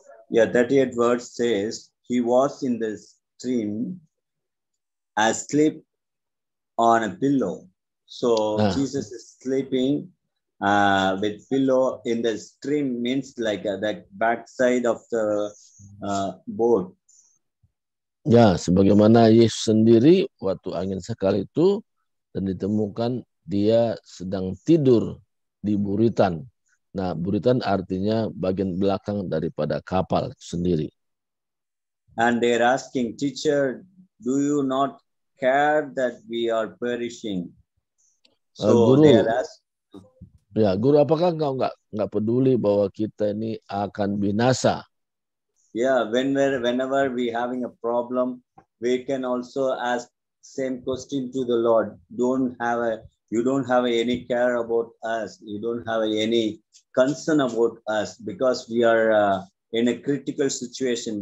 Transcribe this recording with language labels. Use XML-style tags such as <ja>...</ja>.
<en>Yeah, 38 verse says, he was in the stream asleep on a pillow. So nah. Jesus is sleeping with pillow in the stream, means like the backside of the boat.</en> <id>Ya, sebagaimana Yesus sendiri waktu angin sakal itu dan ditemukan dia sedang tidur di buritan. Nah, buritan artinya bagian belakang daripada kapal sendiri.</id> <en>And they're asking, teacher, do you not care that we are perishing?</en> <id>So guru, guru, apakah kau enggak peduli bahwa kita ini akan binasa?</id> <en>Yeah, whenever we having a problem, we can also ask same question to the Lord. You don't have any care about us. You don't have any concern about us because we are in a critical situation.</en>